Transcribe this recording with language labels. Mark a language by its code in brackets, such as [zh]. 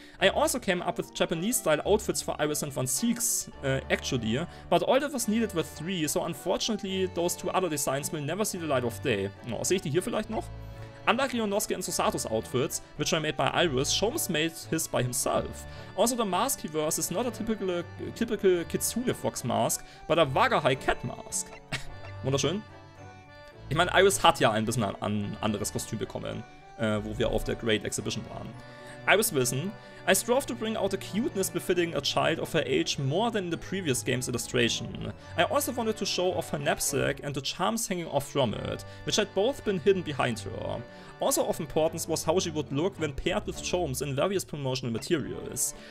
[en] I also came up with Japanese-style outfits for Iris and Van Sieg's, actually, but all that was needed were three, so unfortunately those two other designs will never see the light of day. [de] Oh, sehe ich die hier vielleicht noch? [en] Unlike Ryunosuke and Susato's outfits, which are made by Iris, Shoms made his by himself. Also, the mask he wears is not a typical Kitsune Fox mask, but a Wagahai cat mask. [de] Wunderschön. Ich meine, Iris hat ja ein bisschen ein anderes Kostüm bekommen, wo wir auf der Great Exhibition waren. [en] Iris Wilson. I strove to bring out a cuteness befitting a child of her age more than in the previous game's illustration. I also wanted to show off her knapsack and the charms hanging off from it, which had both been hidden behind her. Also of importance was how she would look when paired with Shoms in various promotional materials.